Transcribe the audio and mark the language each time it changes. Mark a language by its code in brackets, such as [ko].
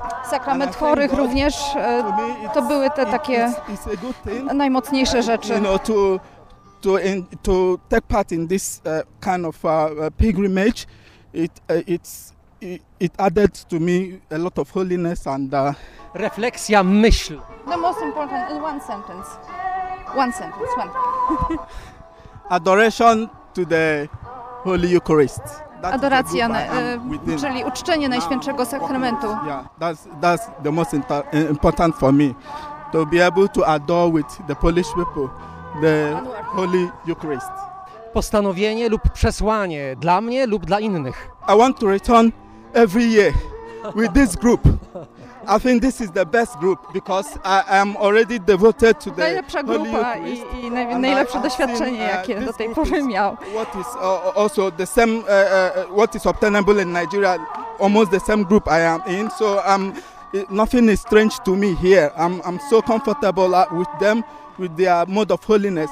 [pl] Sakrament chorych również, to były te takie najmocniejsze rzeczy. [en] To take part in this kind of pilgrimage, it added to me a lot of holiness and [pl] refleksja, myśl. [en] The most important in one sentence. One sentence, one. Adoration to the Holy Eucharist. [pl] Adoracja, czyli uczczenie Najświętszego Sakramentu. [en] That's the most important for me. To be able to adore with the Polish people the Holy Eucharist. [pl] Postanowienie lub przesłanie dla mnie lub dla innych. [en] I want to return every year with this group. I think this is the best group because I am already devoted to the [pl] najlepsza grupa [en] Holy [pl] i najlepsze doświadczenie, jakie do tej pory miał. [en] What is also the same what is obtainable in Nigeria, almost the same group I am in. So nothing is strange to me here. I'm so comfortable with them, with their mode of holiness.